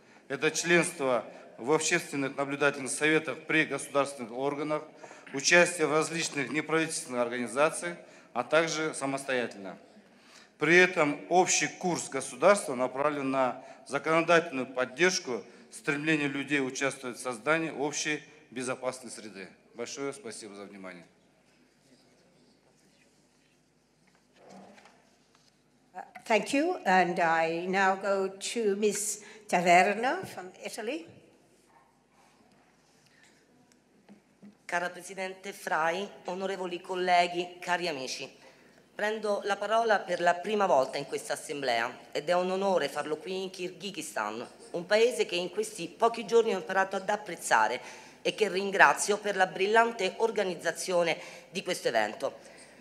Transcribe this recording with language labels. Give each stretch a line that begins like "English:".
Russian: Это членство в общественных наблюдательных советах при государственных органах, участие в различных неправительственных организациях, а также самостоятельно. При этом общий курс государства направлен на законодательную поддержку стремления людей участвовать в создании общей безопасной среды. Большое спасибо за внимание.
English: Thank you, and I now go to Ms. Taverna from Italy.
Italian: Cara Presidente Frei, onorevoli colleghi, cari amici, prendo la parola per la prima volta in questa assemblea ed è un onore farlo qui in Kyrgyzstan, un paese che in questi pochi giorni ho imparato ad apprezzare e che ringrazio per la brillante organizzazione di questo evento.